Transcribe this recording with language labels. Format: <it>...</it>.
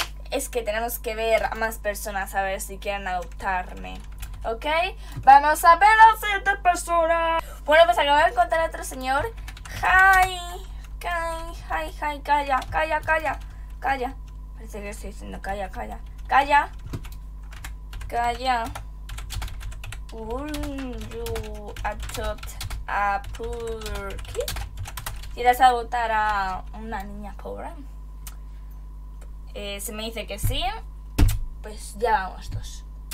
<es>Es que tenemos que ver a más personas a ver si quieren adoptarme. ¿Ok? Vamos a ver a la siguiente persona. Bueno, pues acabo de encontrar a otro señor.</es> <en>Hi. Hi. Hi. Hi.</en> <es>Calla, calla, calla. Calla. Parece que estoy diciendo calla, calla. Calla. Calla.</es> <en>Would you adopt a poor kid?</en> <es>¿Quieres adoptar a una niña pobre? Si me dice que sí, pues ya vamos dos.</es>